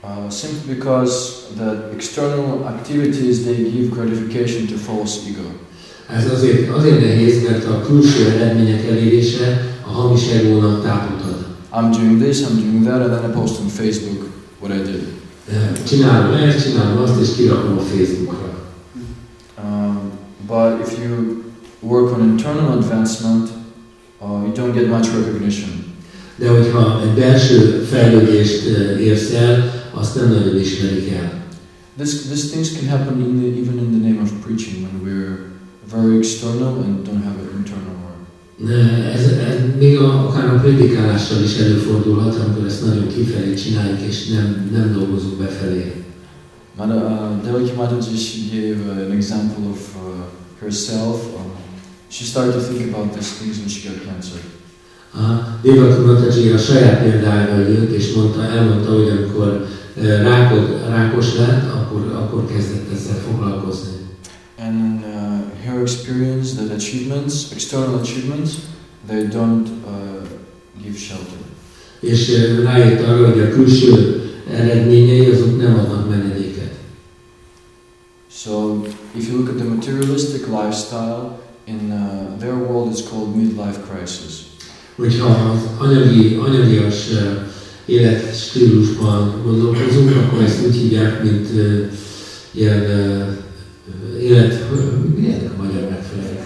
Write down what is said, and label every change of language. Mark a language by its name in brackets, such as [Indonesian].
[English] Simply because the external activities, they give gratification to false ego. [Hungarian] Ez azért nehéz, mert a külső eredmények elérése a hamis egónak táput ad. [English] I'm doing this, I'm doing that, and then I post on Facebook what I did. [Hungarian] Csinálom ezt, csinálom azt, és kirakom a Facebookra. [English] But if you work on internal advancement, you don't get much recognition. [Hungarian] De hogyha egy belső fejlődést érsz el, azt nem nagyon ismerik el. [English] This things can happen even in the name of preaching, when we're very external and don't have an internal work. [Hungarian] Ez még akár a prédikálással is előfordulhat, amikor ezt nagyon kifelé csináljuk, és nem dolgozunk befelé. [English] Devaki Mataji, she gave an example of herself. She started to think about these things when she got cancer. [Hungarian] Devaki Mataji a saját példájával jött, és elmondta, hogy amikor rákos lett, akkor kezdett ezzel foglalkozni. [English] And her experience that achievements, external achievements, they don't give shelter. [Hungarian] És rájött arra, hogy a külső eredményei azok nem adnak menedéket. [English] So, if you look at the materialistic lifestyle, in their world it's called midlife crisis. [Hungarian] Hogyha az anyagias életstílusban gondolkozunk, akkor ezt úgy hívják, mint ilyen élet... Milyen a magyar megfelelő?